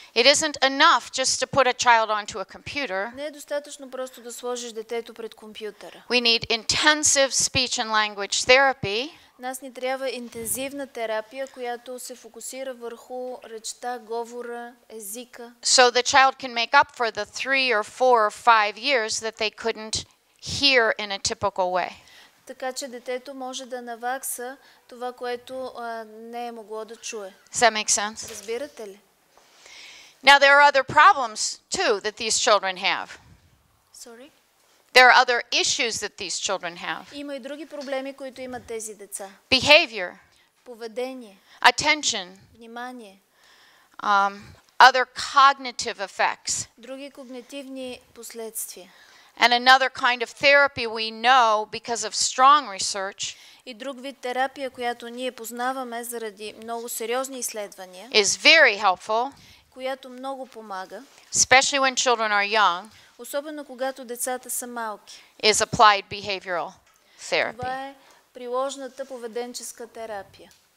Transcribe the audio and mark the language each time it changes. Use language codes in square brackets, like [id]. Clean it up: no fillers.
[en] It isn't enough just to put a child onto a computer. [bg] Не е достатъчно просто да сложиш детето пред компютъра. [en] We need intensive speech and language therapy. [bg] Нас ни трябва интензивна терапия, която се фокусира върху речта, говора, езика. [en] So the child can make up for the 3 or 4 or 5 years that they couldn't hear in a typical way. [bg] Така че детето може да навакса това, което не е могло да чуе. [en] Does that make sense? [bg] Разбирате ли? [en] Now there are other problems too that these children have. Sorry. There are other issues that these children have. [bg] Има и други проблеми, които имат тези деца. [en] Behavior. [bg] Поведение. [en] Attention. [bg] Внимание. [en] Other cognitive effects. [bg] Други когнитивни последствия. [en] And another kind of therapy we know because of strong research. [bg] И друг вид терапия, която ние познаваме заради много сериозни изследвания. [en] Is very helpful. [bg] Която много помага. [en] Especially when children are young. [bg] Особено когато децата са малки. [en] Is applied behavioral therapy. [bg] Това е приложната поведенческа терапия.